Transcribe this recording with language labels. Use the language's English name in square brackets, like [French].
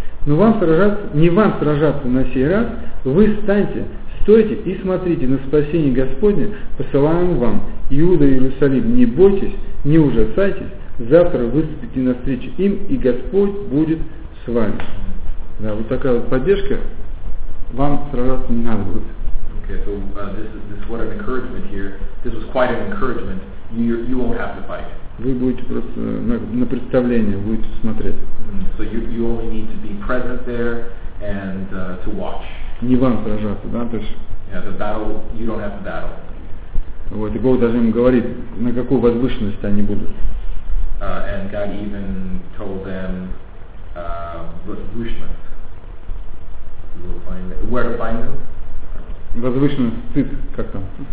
[Russian] Но не вам сражаться на сей раз, вы станьте, стойте и смотрите на спасение Господне, посылаем вам. Иуда и Иерусалим, не бойтесь, не ужасайтесь, завтра выступите навстречу им, и Господь будет с вами. Да, вот такая вот поддержка, вам сражаться не надо будет. [English] Okay, so this is what an encouragement here. This was quite an encouragement. You won't have to fight. [Russian] Вы будете просто на представление, будете смотреть. [English] So you only need to be present there and to watch. [Russian] Не вам сражаться, да, то есть. [English] Yeah, the battle, you don't have to battle. [Russian] Вот, и Бог даже им говорит, на какую возвышенность они будут. [English] And God even told them [Russian] возвышенность. [English] Where to find them? [Russian] Возвышенный стыд, как там?